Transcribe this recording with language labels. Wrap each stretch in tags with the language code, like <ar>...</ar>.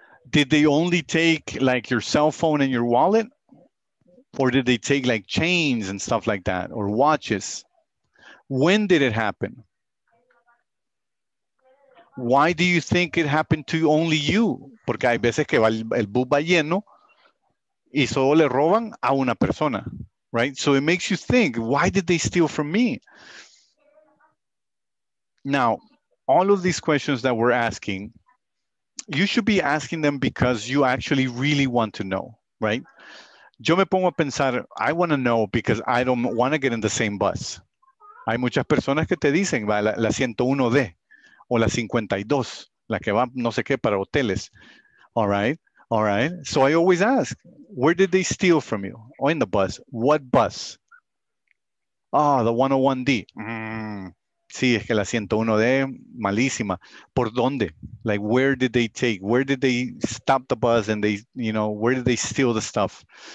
<en>Did they only take like your cell phone and your wallet? Or did they take like chains and stuff like that, or watches? When did it happen? Why do you think it happened to only you?</en> <es>Porque hay veces que el bus va lleno y solo le roban a una persona, right?</es> <en>So it makes you think, why did they steal from me? Now, all of these questions that we're asking, you should be asking them because you actually really want to know, right?</en> <es>Yo me pongo a pensar,</es> <en>I want to know because I don't want to get in the same bus.</en> <es>Hay muchas personas que te dicen, va, la 101D. O la 52, la que va no sé qué para hoteles.</es> <en>All right. So I always ask, where did they steal from you? Oh, in the bus. What bus? Ah, the 101D.</en> <es>Sí, es que la 101D, malísima. ¿Por dónde?</es> <en>Like, where did they take? Where did they stop the bus and they, you know, where did they steal the stuff?</en>